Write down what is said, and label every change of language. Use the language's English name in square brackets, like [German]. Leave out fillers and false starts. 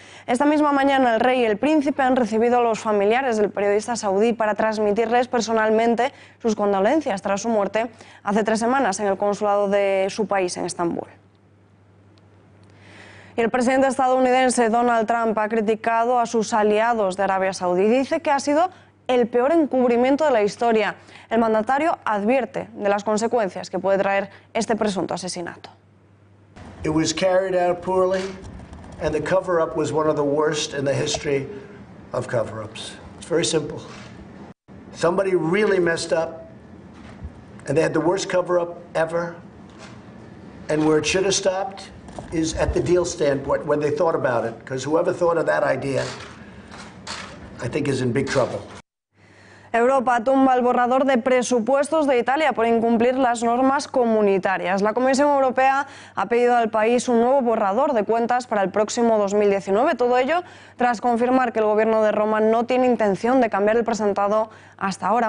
[Spanish] Esta misma mañana el rey y el príncipe han recibido a los familiares del periodista saudí para transmitirles personalmente sus condolencias tras su muerte hace tres semanas en el consulado de su país en Estambul. Y el presidente estadounidense Donald Trump ha criticado a sus aliados de Arabia Saudí. Dice que ha sido el peor encubrimiento de la historia. El mandatario advierte de las consecuencias que puede traer este presunto asesinato. [English] It was carried out poorly, and the cover-up was one of the worst in the history of cover-ups. It's very simple. Somebody really messed up, and they had the worst cover-up ever. And where it should have stopped is at the deal standpoint when they thought about it, because whoever thought of that idea, I think, is in big trouble. [Spanish] Europa tumba el borrador de presupuestos de Italia por incumplir las normas comunitarias. La Comisión Europea ha pedido al país un nuevo borrador de cuentas para el próximo 2019. Todo ello tras confirmar que el gobierno de Roma no tiene intención de cambiar el presentado hasta ahora.